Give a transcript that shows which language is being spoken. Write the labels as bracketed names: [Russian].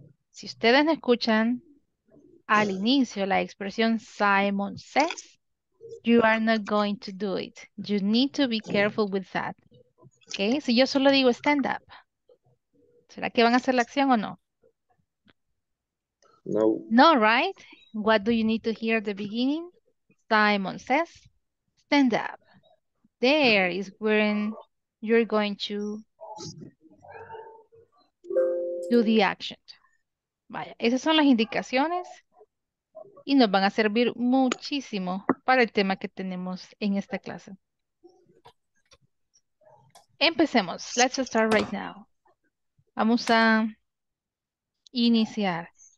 [Spanish] Si ustedes escuchan al inicio la expresión Simon says, [English] you are not going to do it. You need to be careful with that. [Spanish] Okay, si yo solo digo [English] stand up, [Spanish] ¿será que van a hacer la acción o no? No. [English] No, right? What do you need to hear at the beginning? Simon says, stand up. There is when you're going to do the action. [Spanish] Vaya, esas son las indicaciones y nos van a servir muchísimo para el tema que tenemos en esta clase. Empecemos. [English] Let's start right now. [Spanish] Vamos a iniciar.